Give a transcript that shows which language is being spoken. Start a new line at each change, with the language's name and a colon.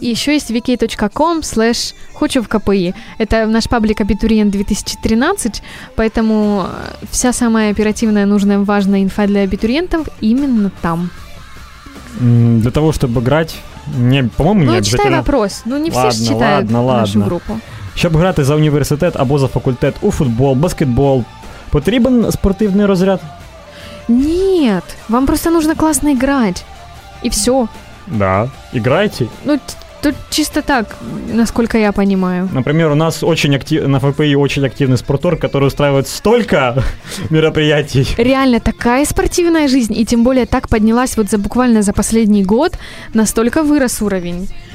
Russian: Еще есть vk.com/хочу в КПИ. Это наш паблик абитуриент 2013, поэтому вся самая оперативная, нужная, важная инфа для абитуриентов именно там. Для того, чтобы играть, не, по-моему, не обязательно. Читай вопрос. Ну, не все же читают нашу группу.
Ukrainian: Щоб грати за університет або за факультет у футбол, баскетбол, потрібен спортивний розряд?
Russian: Нет, вам просто нужно классно играть. И все. Да, играйте. Ну, тут чисто так, насколько я понимаю. Например, у нас очень на ФПИ очень активный спортор, который устраивает столько мероприятий. Реально, такая спортивная жизнь, и тем более так поднялась вот за последний год, настолько вырос уровень.